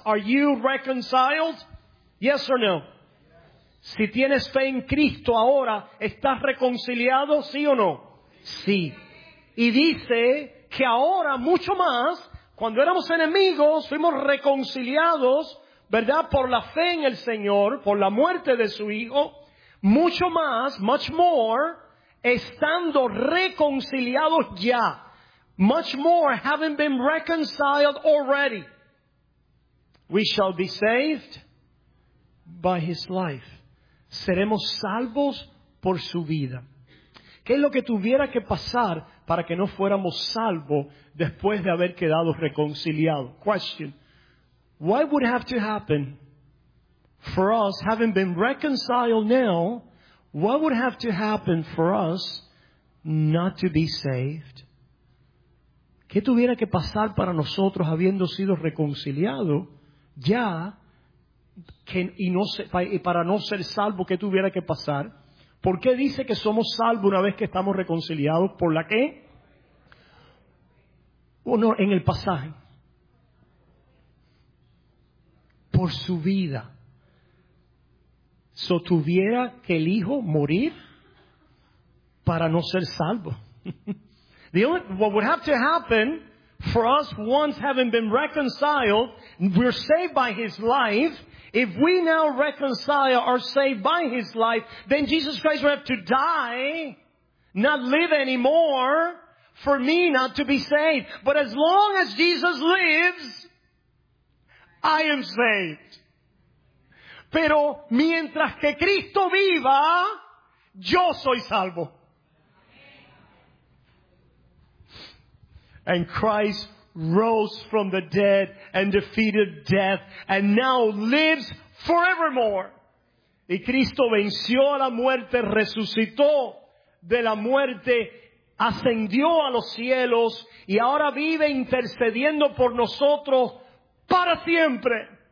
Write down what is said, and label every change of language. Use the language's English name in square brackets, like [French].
[English] Are you reconciled? Yes or no? [Spanish] Si tienes fe en Cristo ahora, ¿estás reconciliado, sí o no? Sí. Y dice que ahora, mucho más, cuando éramos enemigos, fuimos reconciliados, ¿verdad? Por la fe en el Señor, por la muerte de su Hijo. Mucho más, [English] much more, [Spanish] estando reconciliados ya. [English] Much more, having been reconciled already. We shall be saved by His life. [Spanish] Seremos salvos por su vida. ¿Qué es lo que tuviera que pasar para que no fuéramos salvos después de haber quedado reconciliados? [English] Question. What would have to happen for us, having been reconciled now, what would have to happen for us not to be saved? [Spanish] ¿Qué tuviera que pasar para nosotros habiendo sido reconciliados ya que, y, no, y para no ser salvos, qué tuviera que pasar? ¿Por qué dice que somos salvos una vez que estamos reconciliados? ¿Por la qué? Bueno, en el pasaje. Por por su vida. [English] So, [Spanish] tuviera que el hijo morir para no ser salvo. [English] The only, what would have to happen for us, once having been reconciled, we're saved by his life. If we now reconcile, are saved by his life, then Jesus Christ would have to die, not live anymore, for me not to be saved. But as long as Jesus lives, I am saved. [Spanish] Pero mientras que Cristo viva, yo soy salvo. [English] And Christ rose from the dead and defeated death and now lives forevermore. [Spanish] Y Cristo venció a la muerte, resucitó de la muerte, ascendió a los cielos y ahora vive intercediendo por nosotros para siempre.